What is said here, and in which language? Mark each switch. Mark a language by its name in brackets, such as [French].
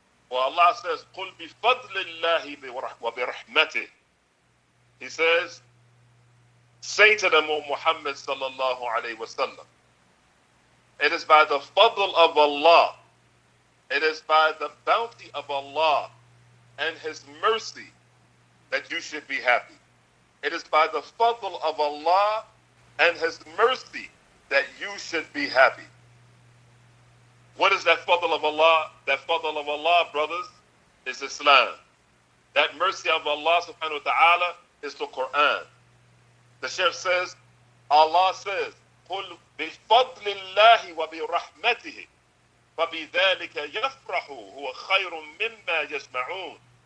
[English] Well, Allah says, [Arabic] قُلْ بِفَضْلِ اللَّهِ وَبِرْحْمَتِهِ. [English] He says, say to them, O Muhammad sallallahu alayhi wa sallam, it is by the fadl of Allah, it is by the bounty of Allah and His mercy that you should be happy. It is by the fadl of Allah and His mercy that you should be happy. What is that fadl of Allah? That fadl of Allah, brothers, is Islam. That mercy of Allah subhanahu wa ta'ala is the Quran. The Shaykh says, Allah says, [Arabic] قُلْ بِفَضْلِ اللَّهِ وَبِرَحْمَتِهِ فَبِذَلِكَ يَفْرَحُ هُوَ خَيْرٌ مِمَّا يَجْمَعُونَ.